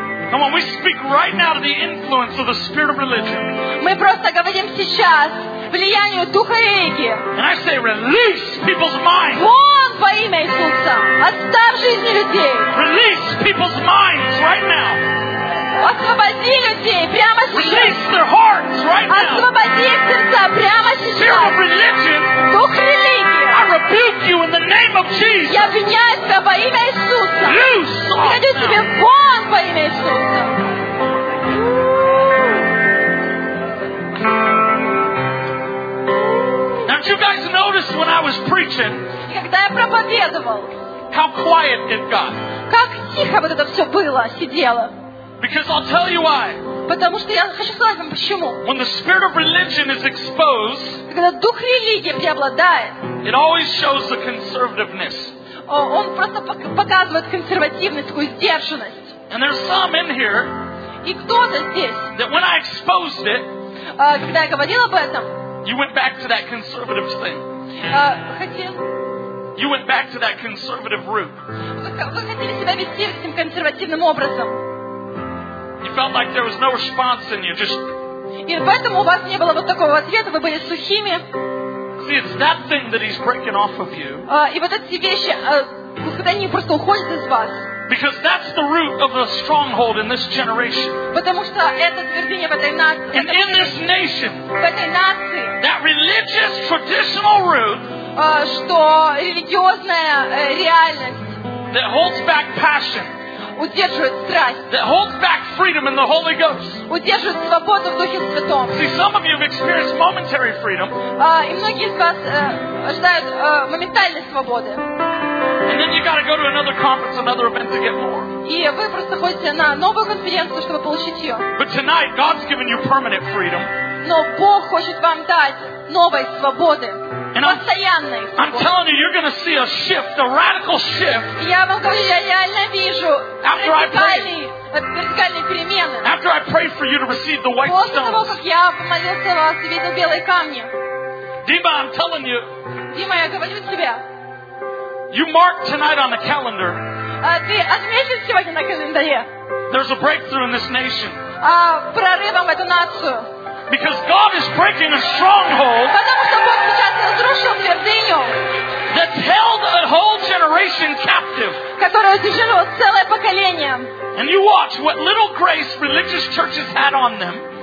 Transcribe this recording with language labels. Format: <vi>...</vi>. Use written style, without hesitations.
<en>Come on, we speak right now to the influence of the spirit of religion.</en> <ru>Мы просто говорим сейчас. Влиянию духа религии.</ru> <en>And I say, release people's minds.</en> <ru>Вон во имя Иисуса. Оставь жизни людей.</ru> <en>Release people's minds right now.</en> <ru>Освободи людей прямо сейчас.</ru> <en>Release their hearts right now.</en> <ru>Освободи сердца прямо сейчас.</ru> <en>Spirit of religion.</en> <ru>Дух религии.</ru> <en>I rebuke you in the name of Jesus.</en> <ru>Я обвиняю тебя во имя Иисуса.</ru> <en>Loose off now.</en> <ru>Приведу тебе вон во имя Иисуса.</ru> <en>Did you guys notice when I was preaching?</en> <ru>Когда я проповедовал.</ru> <en>How quiet it got.</en> <ru>Как тихо вот это все было, сидело.</ru> <en>Because I'll tell you why.</en> <ru>Потому что я хочу сказать вам почему.</ru> <en>When the spirit of religion is exposed.</en> <ru>Когда дух религии преобладает.</ru> <en>It always shows the conservativeness.</en> <ru>Он просто показывает консервативность, такую сдержанность.</ru> <en>And there's some in here.</en> <ru>И кто-то здесь.</ru> <en>That when I exposed it.</en> <ru>Когда я говорил об этом.</ru> <en>You went back to that conservative thing. You went back to that conservative root.</en> <ru>Вы хотели себя вести этим консервативным образом.</ru> <en>You felt like there was no response in you. Just.</en> <ru>И поэтому у вас не было вот такого ответа. Вы были сухими.</ru> <en>See, it's that thing that he's breaking off of you.</en> <ru>И вот эти вещи, когда они просто уходят из вас.</ru> <en>Because that's the root of the stronghold in this generation.</en> <ru>Потому что это твердыня в этой нации.</ru> <en>And in this nation.</en> <ru>В этой нации.</ru> <en>That religious traditional root.</en> <ru>Что религиозная реальность.</ru> <en>That holds back passion.</en> <ru>Удерживает страсть.</ru> <en>That holds back freedom in the Holy Ghost.</en> <ru>Удерживает свободу в Духе Святом.</ru> <en>See, some of you have experienced momentary freedom.</en> <ru>И многие из вас ожидают моментальной свободы.</ru> <en>And then you got to go to another conference, another event to get more.</en> <ru>И вы просто ходите на новую конференцию, чтобы получить ее.</ru> <en>But tonight God's given you permanent freedom.</en> <ru>Но Бог хочет вам дать новой свободы, постоянной свободы.</ru> <en>I'm telling you, you're going to see a shift, a radical shift.</en> <ru>Я вам говорю, я реально вижу радикальные перемены.</ru> <en>After I prayed for you to receive the white stones.</en> <ru>После того, как я помолился о вас и видел белые камни.</ru> <en>Дима, I'm telling you.</en> <ru>Дима, я говорю тебе.</ru> <en>You mark tonight on the calendar.</en> <ru>Ты отметишь сегодня на календаре.</ru> <en>there's a breakthrough in this nation.</en> <ru>Прорывом эту нацию.</ru> <en>Because God is breaking a stronghold.</en> <ru>Потому что Бог сейчас разрушил твердыню.</ru> <en>That's held a whole generation captive.</en> <ru>Которая удерживала целое поколение.</ru> <en>And you watch what little grace religious churches had on them.</en>